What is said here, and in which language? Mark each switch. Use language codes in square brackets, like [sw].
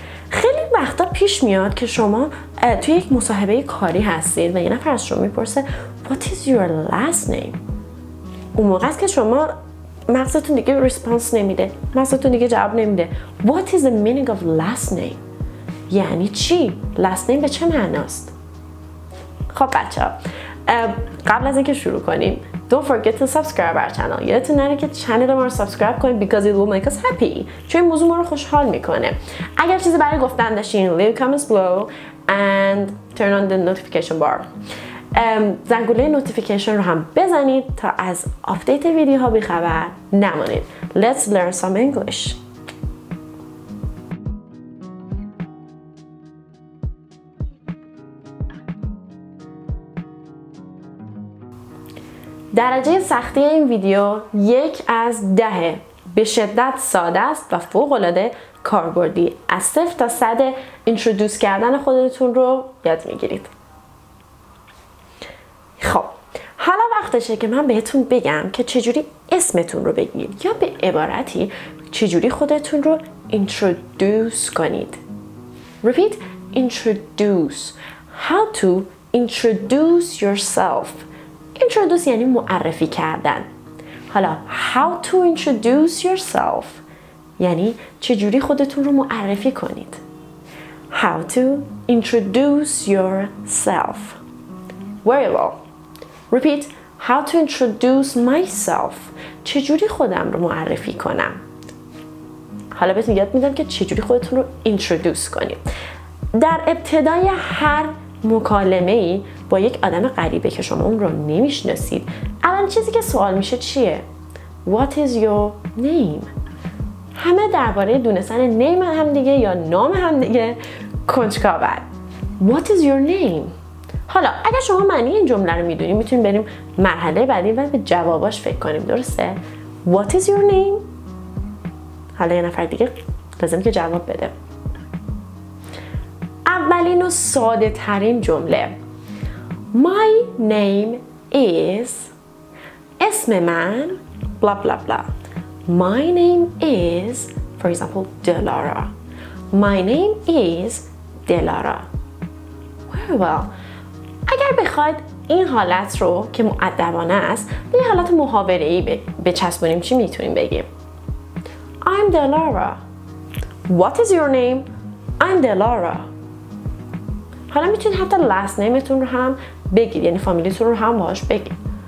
[fa] خیلی وقتا پیش میاد که شما توی یک مصاحبه کاری هستید و یه نفر از شما میپرسه [en] What is your last name؟ [fa] اون موقع است که شما مغزتون دیگه ریسپانس نمیده، مغزتون دیگه جواب نمیده. [en] What is the meaning of last name؟ [fa] یعنی چی؟ [en] last name [fa] به چه معناست؟ خب بچه ها، قبل از اینکه شروع کنیم [en] Don't forget to subscribe our channel. [fa] یادتون نره که چنل ما رو سابسکرایب کنید [en] because it will make us happy. [fa] چون این موضوع ما رو خوشحال میکنه. اگر چیزی برای گفتن داشتین [en] leave comments below and turn on the notification bar. [fa] زنگوله نوتیفیکیشن رو هم بزنید تا از آپدیت ویدیوها بی خبر نمونید. [en] Let's learn some English. [fa] درجه سختی این ویدیو 1 از 10. به شدت ساده است و فوق‌العاده کاربردی. از 0 تا 100 اینترودوس کردن خودتون رو یاد میگیرید. خب حالا وقتشه که من بهتون بگم که چجوری اسمتون رو بگید یا به عبارتی چجوری خودتون رو اینترودوس کنید. [en] Repeat introduce. How to introduce yourself. [fa] Introduce یعنی معرفی کردن. حالا [en] how to introduce yourself [fa] یعنی چجوری خودتون رو معرفی کنید. [en] How to introduce yourself. Very well. Repeat how to introduce myself. [fa] چجوری خودم رو معرفی کنم. حالا بهتون یاد میدم که چجوری خودتون رو introduce کنید. در ابتدای هر مکالمه ای با یک آدم غریبه که شما اون رو نمیشناسید، اولین چیزی که سوال میشه چیه؟ [en] What is your name؟ [fa] همه درباره دونستن نیم هم دیگه یا نام هم دیگه کنجکاون. [en] What is your name؟ [fa] حالا اگر شما معنی این جمله رو میدونید میتونیم بریم مرحله بعدی و به جواباش فکر کنیم، درسته؟ What is your name؟ حالا یه نفر دیگه لازم که جواب بده. اولین و ساده ترین جمله [en] My name is [fa] اسم من بلا بلا بلا. [en] My name is for example دلارا. My name is دلارا. Very well. [fa] اگر بخواید این حالت رو که مؤدبانه است به حالت محاوره‌ای بچسبونیم چی میتونیم بگیم؟ [en] I'm [fa] دلارا. [en] What is your name? I'm دلارا. [fa] حالا میتونید حتی last name‌تون رو هم بگید، یعنی فامیلیتون رو هم باش بگید.